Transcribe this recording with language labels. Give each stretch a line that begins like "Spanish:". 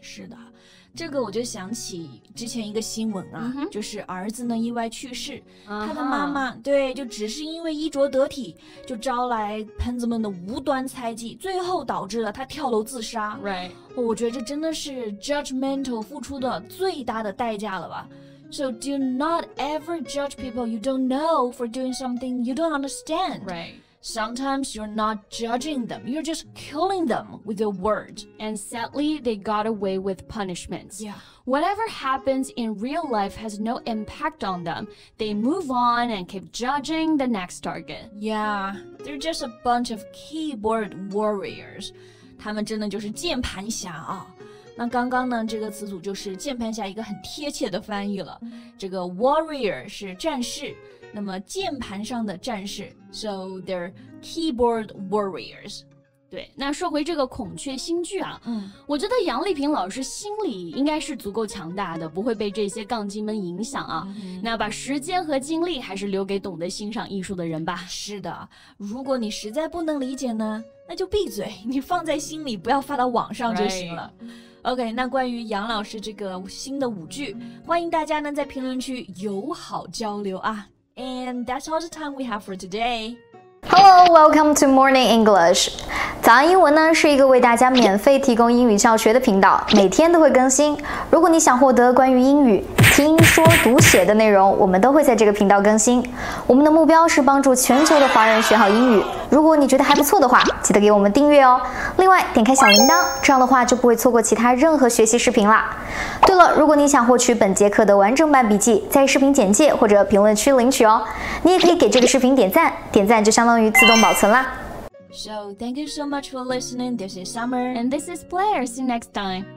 Chinese: 是的。这个我就想起之前一个新闻啊、 mm-hmm. 就是儿子呢意外去世、 uh-huh. 他的妈妈对就只是因为衣着得体就招来喷子们的无端猜忌最后导致了他跳楼自杀
English: Right.
Chinese: 我觉得这真的是 judgmental 付出的最大的代价了吧
English: So do not ever judge people you don't know for doing something you don't understand Right. Sometimes you're not judging them, you're just killing them with your words. And sadly, they got away with punishments. Yeah. Whatever happens in real life has no impact on them. They move on and keep judging the next target. Yeah, they're just a bunch of keyboard warriors.
Chinese: 他们真的就是键盘侠啊。那刚刚呢这个词组就是键盘侠一个很贴切的翻译了。这个 warrior 是战士。那么键盘上的战士
English: So they're keyboard warriors
Chinese: 对那说回这个孔雀新剧啊、嗯、我觉得杨丽萍老师心里应该是足够强大的不会被这些杠精们影响啊、嗯、那把时间和精力还是留给懂得欣赏艺术的人吧是的如果你实在不能理解呢那就闭嘴你放在心里不要发到网上就行了、
English: right.
Chinese: OK, 那关于杨老师这个新的舞剧欢迎大家呢在评论区友好交流啊。
English: And that's all the time we have for today. Hello, welcome to Morning English.
Chinese: 早安英文呢是一个为大家免费提供英语教学的频道每天都会更新。如果你想获得关于英语听说读写的内容我们都会在这个频道更新。我们的目标是帮助全球的华人学好英语。如果你觉得还不错的话记得给我们订阅哦。另外点开小铃铛这样的话就不会错过其他任何学习视频啦。对了如果你想获取本节课的完整版笔记在视频简介或者评论区领取哦。你也可以给这个视频点赞点赞就相当于自动保存啦。
English: So, thank you so much for listening. This is Summer. And this is Blair. See you next time.